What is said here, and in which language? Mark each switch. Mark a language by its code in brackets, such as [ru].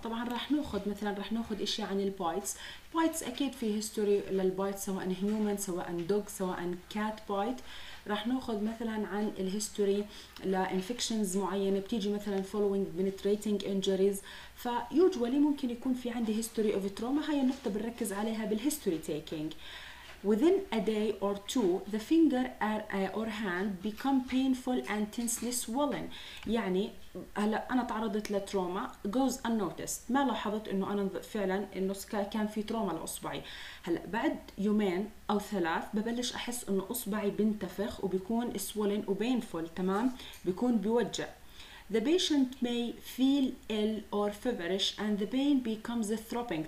[ar] طبعا راح ناخذ مثلا راح ناخذ اشي عن البايتس, بايتس اكيد في هيستوري للبايت سواء هيومن سواء دوغ سواء كات بايت. راح ناخذ مثلا عن الهيستوري لانفكشنز معينه بتيجي مثلا فولوينج بنتريتنج انجريز, فيوجوالي ممكن يكون في عندي هيستوري اوف تروما, هاي النقطه بنركز عليها بالهيستوري تيكينج. [en] Within a day or two, the finger or hand become painful and tensely swollen. [ar] يعني هلا أنا تعرضت لتروما [en] goes unnoticed, [ar] ما لاحظت إنه أنا فعلاً إنه كان في تروما لأصبعي. هلا بعد يومين أو ثلاث ببلش أحس إنه أصبعي بنتفخ وبيكون swollen و painful, تمام, بيكون بيوجع. [en] The patient may feel ill or feverish and the pain becomes a throbbing.